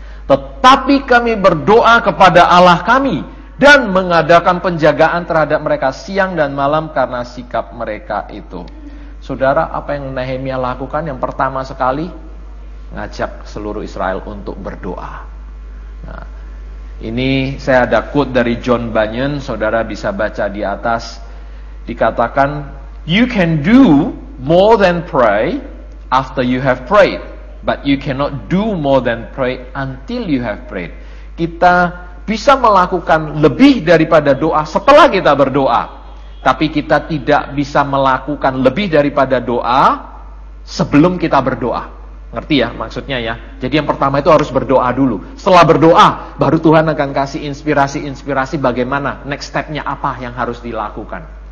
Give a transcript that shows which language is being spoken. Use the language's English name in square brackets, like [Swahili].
[Indonesian] Tetapi kami berdoa kepada Allah kami dan mengadakan penjagaan terhadap mereka siang dan malam karena sikap mereka itu. Saudara, apa yang Nehemia lakukan? Yang pertama sekali, ngajak seluruh Israel untuk berdoa. Nah, ini saya ada quote dari John Bunyan, saudara bisa baca di atas. Dikatakan, [English] you can do more than pray after you have prayed, but you cannot do more than pray until you have prayed. [Indonesian] Kita bisa melakukan lebih daripada doa setelah kita berdoa, tapi kita tidak bisa melakukan lebih daripada doa sebelum kita berdoa. Ngerti ya maksudnya ya. Jadi yang pertama itu harus berdoa dulu. Setelah berdoa, baru Tuhan akan kasih inspirasi-inspirasi bagaimana next step-nya apa yang harus dilakukan.